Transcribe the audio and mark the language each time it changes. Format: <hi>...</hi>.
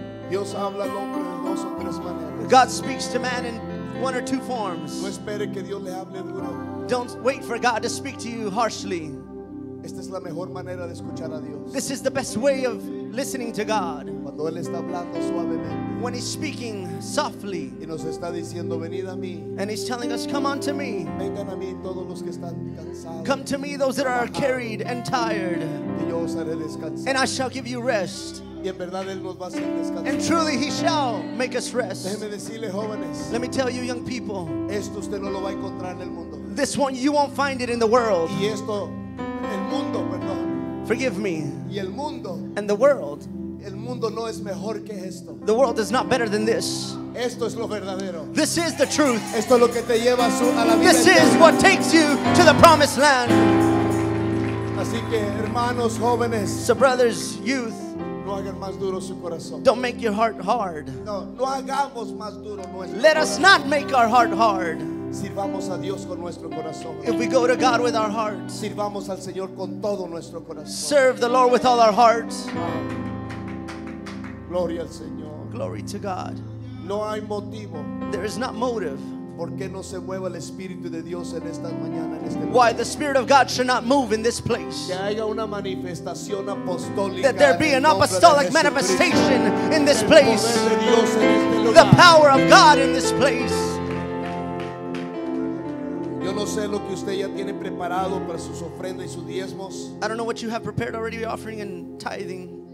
<es>Dios habla al hombre de dos o tres maneras.</es> <en>God speaks to man in one or two forms.</en> <es>No espere que Dios le hable duro.</es> <en>Don't wait for God to speak to you harshly.</en> <es>Esta es la mejor manera de escuchar a Dios.</es> <en>This is the best way of listening to God.</en> <es>Cuando él está hablando suavemente.</es> <en>When he's speaking softly.</en> <es>Y nos está diciendo, venid a mí.</es> <en>And he's telling us, come unto me.</en> <es>Vengan a mí todos los que están cansados.</es> <en>Come to me those that are carried and tired.</en> <es>Y yo os haré descansar.</es> <en>And I shall give you rest.</en> <es>Y en verdad él nos va a hacer descansar.</es> <en>And truly he shall make us rest.</en> <es>Déjeme decirle, jóvenes.</es> <en>Let me tell you, young people.</en> <es>Esto usted no lo va a encontrar en el mundo.</es> <en>This one, you won't find it in the world.</en> <es>Y esto, el mundo, perdón.</es> <en>Forgive me.</en> <es>Y el mundo.</es> <en>And the world.</en> <es>El mundo no es mejor que esto.</es> <en>The world is not better than this.</en> <es>Esto es lo verdadero.</es> <en>This is the truth.</en> <es>Esto es lo que te lleva a la vida.</es> <en>This is what takes you to the promised land.</en> <es>Así que, hermanos, jóvenes.</es> <en>So brothers, youth.</en> <es>No hagan más duro su corazón.</es> <en>Don't make your heart hard.</en> <es>No, no hagamos más duro nuestro corazón.</es> <en>Let us not make our heart hard.</en> <es>Sirvamos a Dios con nuestro corazón.</es> <en>If we go to God with our hearts.</en> <es>Sirvamos al Señor con todo nuestro corazón.</es> <en>Serve the Lord with all our hearts.</en> <es>Gloria al Señor.</es> <en>Glory to God.</en> <es>No hay motivo.</es> <en>There is not motive.</en> <es>¿Por qué no se mueve el Espíritu de Dios en esta mañana, en este lugar?</es> <en>Why the Spirit of God should not move in this place.</en> <es>Que haya una manifestación apostólica.</es> <en>That there be an apostolic manifestation in this place.</en> <es>El poder de Dios en este lugar.</es> <en>The power of God in this place.</en> <es>Yo no sé lo que usted ya tiene preparado para sus ofrendas y sus diezmos.</es> <en>I don't know what you have prepared already, your offering and tithing.</en>